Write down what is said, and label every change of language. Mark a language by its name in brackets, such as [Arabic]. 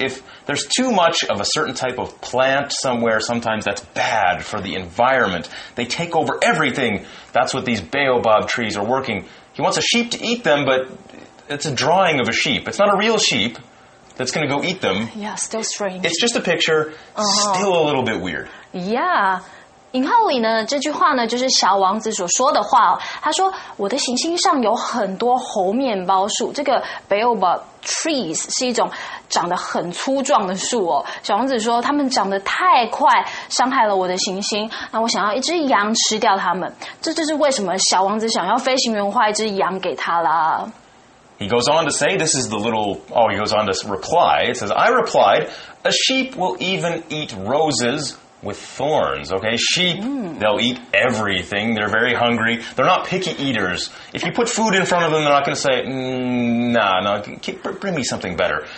[English] If there's too much of a certain type of plant somewhere, sometimes that's bad for the environment. They take over everything. That's what these baobab trees are working. He wants a sheep to eat them, but it's a drawing of a sheep. It's not a real sheep that's going to go eat them. Yeah, still strange. It's just a picture, still a little bit weird. Yeah. [Chinese] 引号里呢这句话呢就是小王子所说的话、哦、他说我的行星上有很多猴面包树这个 baobab trees 是一种长得很粗壮的树哦。小王子说他们长得太快伤害了我的行星那我想要一只羊吃掉他们这就是为什么小王子想要飞行员画一只羊给他啦 [English] He goes on to say, this is the little, oh, he goes on to reply. It says, I replied, a sheep will even eat roses with thorns. Okay, sheep, they'll eat everything. They're very hungry. They're not picky eaters. If you put food in front of them, they're not going to say, bring me something better.